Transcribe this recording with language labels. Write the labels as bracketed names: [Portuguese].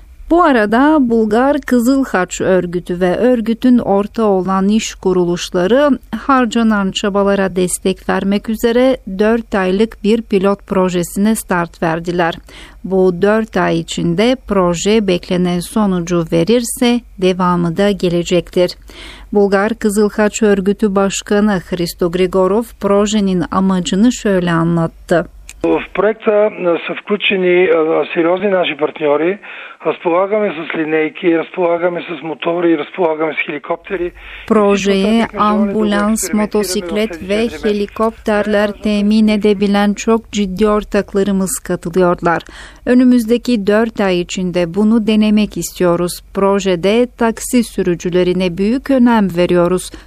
[Turkish] Bu arada Bulgar Kızıl Haç örgütü ve örgütün ortağı olan iş kuruluşları harcanan çabalara destek vermek üzere 4 aylık bir pilot projesine start verdiler. Bu 4 ay içinde proje beklenen sonucu verirse devamı da gelecektir. Bulgar Kızıl Haç örgütü başkanı Hristo Grigorov projenin amacını şöyle anlattı. [Bulgarian] В проекта са включени сериозни наши партньори. Разполагаме с линейки, разполагаме с мотори, разполагаме с хеликоптери. [Turkish] Projeye ambulans, motosiklet ve helikopterler temin edebilen çok ciddi ortaklarımız katılıyorlar. Önümüzdeki 4 ay içinde bunu denemek istiyoruz. Projede taksi sürücülerine büyük önem veriyoruz.